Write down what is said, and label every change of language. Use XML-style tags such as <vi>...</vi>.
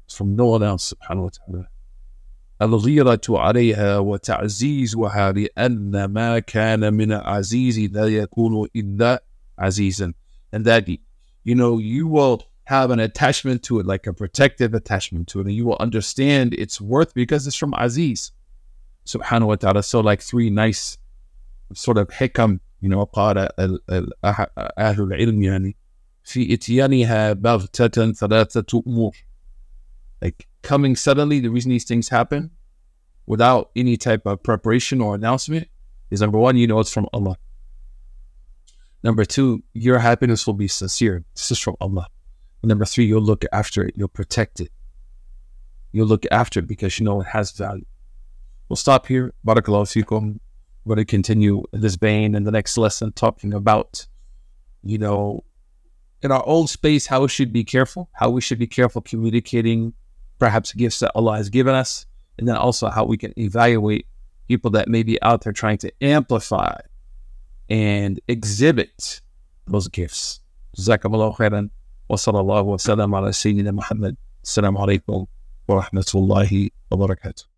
<en>It's from no one else, subhanahu wa ta'ala.</en> <ar>الْغِيرَةُ عَلَيْهَا وَتَعْزِيزُهَا لِأَنَّ مَا كَانَ مِنَ عَزِيزِ لَا يَكُونُ إِلَّا عَزِيزًا.</ar> <en>And that, you know, you will have an attachment to it, like a protective attachment to it, and you will understand its worth because it's from Aziz, subhanahu wa ta'ala. So like three nice sort of hikam, you know,</en> <ar>قال أهل العلم يعني في إتيانها بغتة ثلاثة أمور.</ar> <en>Like coming suddenly, the reason these things happen without any type of preparation or announcement is, number one, you know it's from Allah. Number two, your happiness will be sincere. This is from Allah. And number three, you'll look after it. You'll protect it. You'll look after it because you know it has value. We'll stop here. Barakallahu fikum. We're going to continue this vein in the next lesson, talking about, you know, in our own space, how we should be careful. How we should be careful communicating perhaps gifts that Allah has given us. And then also how we can evaluate people that may be out there trying to amplify and exhibit those gifts.</en> <ar>جزاكم الله خيرا وصلى الله وسلم على سيدنا محمد. السلام عليكم ورحمة الله وبركاته.</ar>